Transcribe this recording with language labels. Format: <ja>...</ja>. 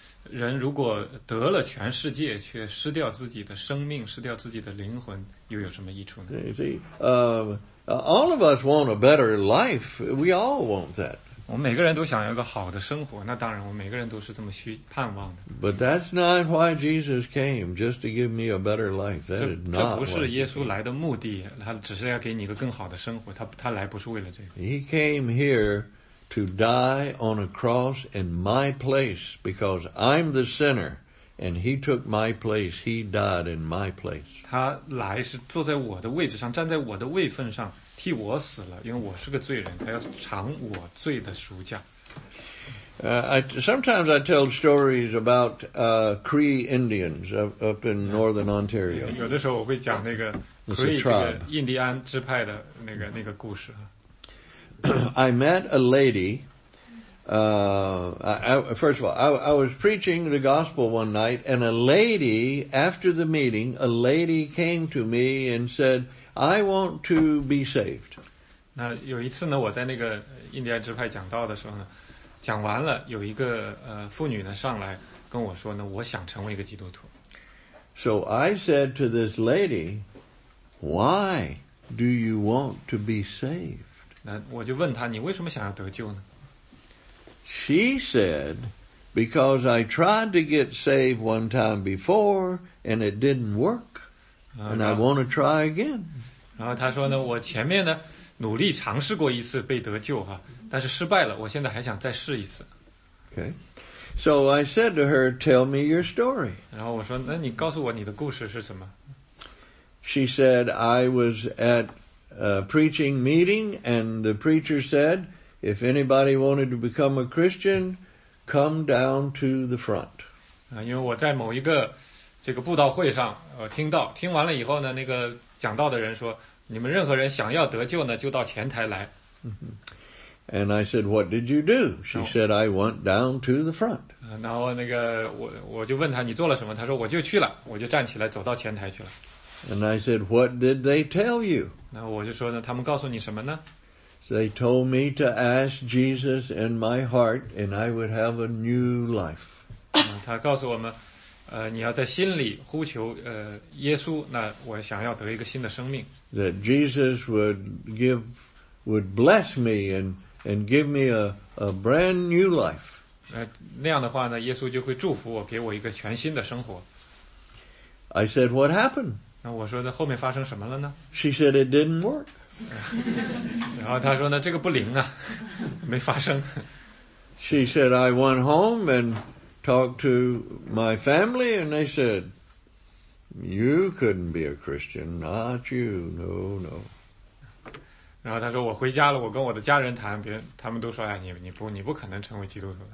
<zh>人如果得了全世界却失掉自己的生命失掉自己的灵魂又有什么益处呢</zh> <en>you see, all of us want a better life. We all want that.</en> <zh>我们每个人都想要一个好的生活那当然我们每个人都是这么盼望的。</zh> <en>But that's not why Jesus came, just to give me a better life. That is not</en> <zh>这不是耶稣来的目的他只是要给你一个更好的生活他来不是为了这个。</zh> <en>He came here,To die on a cross in my place because I'm the sinner and he took my place, he died in my place.</en> <zh>他来是坐在我的位置上站在我的位份上替我死了因为我是个罪人他要偿我罪的赎价。</zh> <en>Sometimes I tell stories about Cree Indians up in northern Ontario.</en> <zh>有的时候我会讲那个 Cree 这个印第安支派的那个故事。</zh> <en>I met a lady, I was preaching the gospel one night, and a lady, after the meeting, a lady came to me and said, I want to be saved.</en> <zh>那有一次呢，我在那个印第安支派讲道的时候呢，讲完了，有一个妇女呢上来跟我说呢，我想成为一个基督徒。</zh> <en>So I said to this lady, why do you want to be saved?</en> <zh>那我就问他，你为什么想要得救呢</zh> <en>？She said, "Because I tried to get saved one time before and it didn't work, and I want to try again."</en> <zh>然后他说呢，我前面呢努力尝试过一次被得救哈，但是失败了，我现在还想再试一次。</zh> <en>Okay, so I said to her, "Tell me your story."</en> <zh>然后我说，那你告诉我你的故事是什么</zh> <en>？She said, "I was at." Preaching meeting, and the preacher said, "If anybody wanted to become a Christian, come down to the front."</en> <zh>因为我在某一个这个布道会上，听完了以后呢，那个讲道的人说，你们任何人想要得救呢，就到前台来。</zh> <en>And I said, "What did you do?" She said, "I went down to the front."</en> <zh>然后那个我就问他，你做了什么？他说，我就去了，我就站起来走到前台去了。</zh> <en>And I said, "What did they tell you?"</en> <zh>那我就说呢，他们告诉你什么呢</zh> <en>？They told me to ask Jesus in my heart, and I would have a new life.</en> <zh>他告诉我们，你要在心里呼求耶稣，那我想要得一个新的生命。</zh> <en>That Jesus would bless me and give me a brand new life.</en> <zh>那样的话呢，耶稣就会祝福我，给我一个全新的生活。</zh> <en>I said, "What happened?"</en> <zh>那我说的后面发生什么了呢</zh> <en>？She said it didn't work.</en> <zh>然后他说呢，这个不灵啊，没发生。</zh> <en>She said I went home and talked to my family, and they said you couldn't be a Christian, not you, no, no.</en> <zh>然后他说我回家了，我跟我的家人谈，他们都说哎，你不可能成为基督徒。</zh>